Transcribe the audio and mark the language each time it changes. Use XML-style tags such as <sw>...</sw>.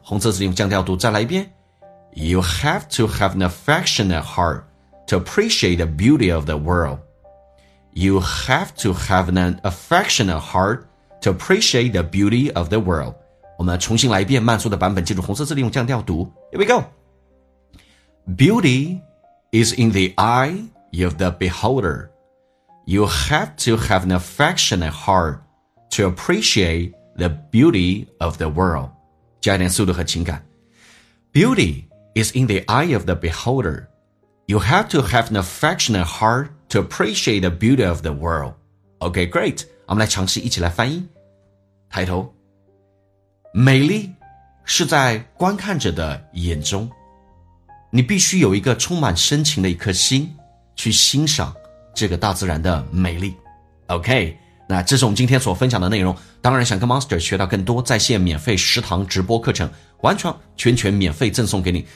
<zh>红色字体用降调读再来一遍，</zh> <en>You have to have an affectionate heart to appreciate the beauty of the world. You have to have an affectionate heart to appreciate the beauty of the world.</en> <zh>我们重新来一遍慢速的版本，记住红色字体用降调读。</zh> <en>Here we go. Beauty is in the eye of the beholder. You have to have an affectionate heart to appreciate the beauty of the world.</en> <zh>加一点速度和情感。</zh> <en>Beauty. Is in the eye of the beholder. You have to have an affectionate heart to appreciate the beauty of the world. Okay, great.</en> <zh>我们来尝试一起来翻译。抬头，美丽是在观看者的眼中，你必须有一个充满深情的一颗心去欣赏这个大自然的美丽。 Okay, 那这是我们今天所分享的内容。当然想跟 Master 学到更多在线免费十堂直播课程，完全全全免费赠送给你。</zh>